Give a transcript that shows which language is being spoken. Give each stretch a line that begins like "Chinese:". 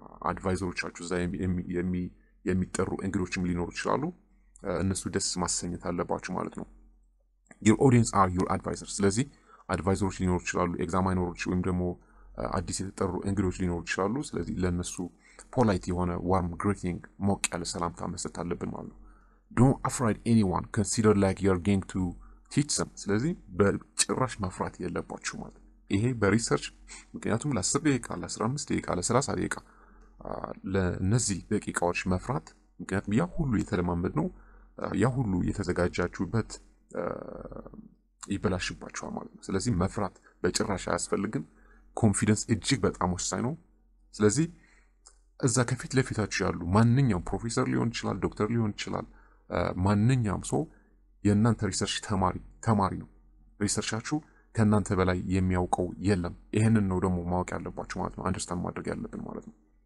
Amharic: አድቫይዘሮቻችሁ እዛ የሚጠሩ እንግዶችም ሊኖሩ ይችላሉ። እነሱ ደስ ማሰኘት አለባችሁ ማለት ነው። ዩር ኦዲየንስ አር ዩር አድቫይዘር። ስለዚህ አድቫይዘሮች ሊኖሩ ይችላሉ፣ ኤግዛማይነሮች ወይም ደግሞ አዲስ የተጠሩ እንግዶች ሊኖሩ ይችላሉ። ስለዚህ ለእነሱ ፖላይት የሆነ ዋርም ግሪቲንግ ሞቅ ያለ ሰላምታ መስጠት አለብን ማለት ነው።
English: Don't afraid anyone. Consider like you're going to teach them.
Amharic: ስለዚህ በጭራሽ መፍራት የለባችሁ ማለት ነው። ይሄ በሪሰርች ምክንያቱም ለ10 ደቂቃ ለ15 ደቂቃ ለ30 ደቂቃ ለነዚህ ደቂቃዎች መፍራት ምክንያቱም ያ ሁሉ የተለማመድ ነው ያ ሁሉ የተዘጋጃችሁበት ይበላሽባችኋል ማለት ነው። ስለዚህ መፍራት በጭራሽ አያስፈልግም። ኮንፊደንስ እጅግ በጣም ወሳኝ ነው። ስለዚህ እዛ ከፊት ለፊታችሁ ያሉ ማንኛውም ፕሮፌሰር ሊሆን ይችላል፣ ዶክተር ሊሆን ይችላል፣ ማንኛውም ሰው የእናንተ ሪሰርች ተማሪ ነው። ሪሰርቻችሁ ከእናንተ በላይ የሚያውቀው የለም። ይህንን ነው ደግሞ ማወቅ ያለባችሁ ማለት ነው። አንደርስታንድ ማድረግ ያለብን ማለት ነው።